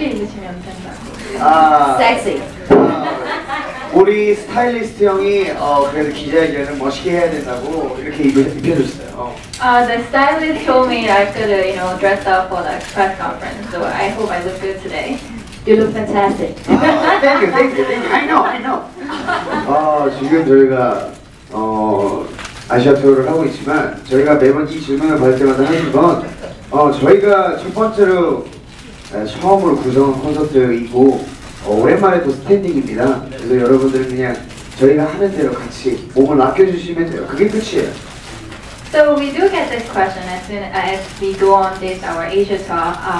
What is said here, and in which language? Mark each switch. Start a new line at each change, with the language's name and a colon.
Korean: 옷을 조금 얇게 입으시면 된다고. 섹시. 우리 스타일리스트 형이 그래서 기자회견을 멋있게 해야 된다고 이렇게 입혀줬어요.
English: The stylist told me I could, dress up for the press conference. So I hope I look good today. You look fantastic. Thank you. I know.
Korean: 지금 저희가 아시아 투어를 하고 있지만 저희가 매번 이 질문을 받을 때마다 하는 건 저희가 첫 번째로 처음으로 구성한 콘서트이고 오랜만에 또 스탠딩입니다. 그래서 여러분들 그냥 저희가 하는 대로 같이 몸을 맡겨주시면 돼요. 그게 끝이에요.
English: So we do get this question as soon as we go on this our Asia tour.